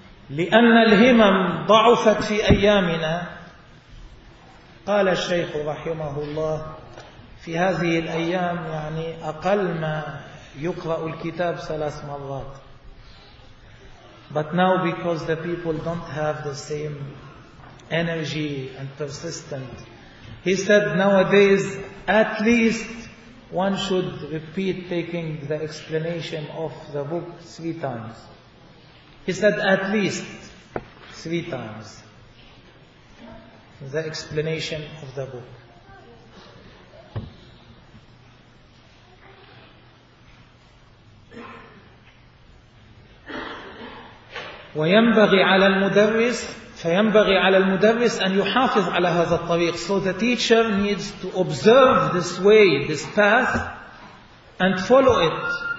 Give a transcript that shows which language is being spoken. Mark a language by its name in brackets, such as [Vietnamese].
[Arabic] لأن الهمم ضعفت في أيامنا قال الشيخ رحمه الله في هذه الأيام يعني أقل ما يقرأ الكتاب 3 مرات. [English] But now because the people don't have the same energy and persistence, he said nowadays at least one should repeat taking the explanation of the book 3 times. He said at least 3 times the explanation of the book. [Arabic] وينبغي على المدرس فينبغي على المدرس أن يحافظ على هذا الطريق. [English] So the teacher needs to observe this way, this path, and follow it.